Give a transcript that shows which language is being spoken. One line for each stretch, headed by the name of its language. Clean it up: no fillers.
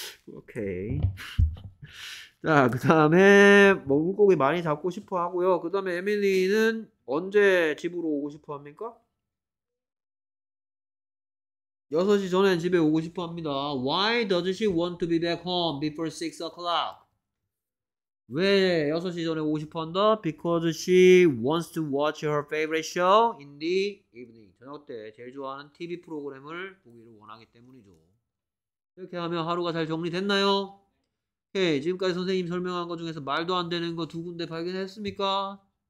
Korean: 오케이. 자, 그 다음에 뭐 물고기 많이 잡고 싶어 하고요. 그 다음에 에밀리는 언제 집으로 오고 싶어 합니까? 6시 전엔 집에 오고 싶어 합니다.
English: Why does she want to be back home before 6 o'clock?
Korean: 왜 6시 전에 오고 싶어 한다?
English: Because she wants to watch her favorite show in the evening.
Korean: 저녁 때 제일 좋아하는 TV 프로그램을 보기를 원하기 때문이죠. 이렇게 하면 하루가 잘 정리됐나요? 오케이. 지금까지 선생님 설명한 것 중에서 말도 안 되는 거두 군데 발견했습니까?